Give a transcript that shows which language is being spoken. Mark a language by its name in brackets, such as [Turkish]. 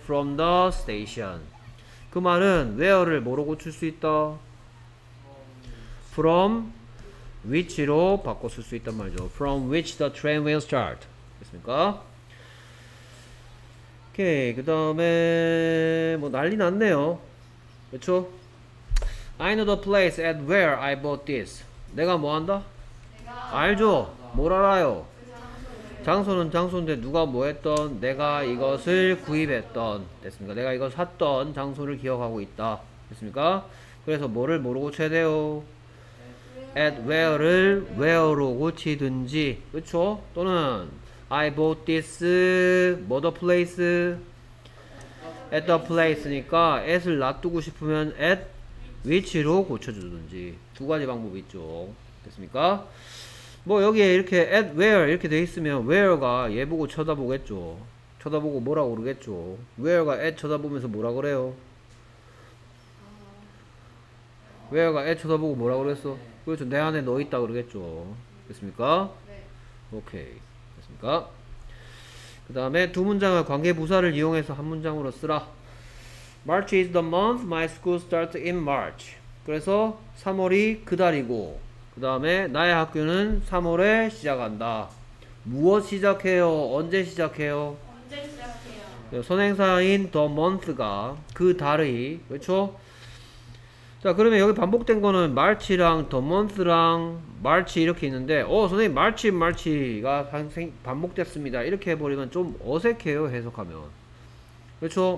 [English] From the station. [Korean] 그 말은 where를 뭐로 고칠 수 있다? From which로 바꿨을 수 있단 말이죠. [English] From which the train will start. [Korean] 됐습니까? 오케이. 그 다음에 뭐 난리 났네요. 그쵸? [English] I know the place at where I bought this. [Korean] 내가 뭐 한다? 내가 알죠? 한다. 뭘 알아요? 그 장소는. 장소는 장소인데 누가 뭐 했던? 내가 이것을 구입했던. 됐습니까? 내가 이거 샀던 장소를 기억하고 있다. 됐습니까? 그래서 뭐를 뭐로 고쳐야 돼요? at where를 where로 고치든지. 그쵸? 또는 [English] I bought this, what a place, at the place [Korean] 니까 at을 놔두고 싶으면 at which로 고쳐주든지 두 가지 방법이 있죠. 됐습니까? 뭐 여기에 이렇게 at where 이렇게 돼 있으면 where가 얘 보고 쳐다보겠죠. 쳐다보고 뭐라 그러겠죠. where가 at 쳐다보면서 뭐라 그래요? where가 at 쳐다보고 뭐라 그랬어? 그렇죠. 내 안에 너 있다 그러겠죠. 됐습니까? 네. 오케이. 됐습니까? 그 다음에 두 문장을 관계 부사를 이용해서 한 문장으로 쓰라. [English] March is the month my school starts in March. [Korean] 그래서 3월이 그 달이고 그 다음에 나의 학교는 3월에 시작한다. 무엇 시작해요? 언제 시작해요? 언제 시작해요? 선행사인 the month가 그 달이 그렇죠? 자 그러면 여기 반복된 거는 March랑 The Month랑 March 이렇게 있는데 선생님 March, March가 반복됐습니다 이렇게 해버리면 좀 어색해요 해석하면 그렇죠?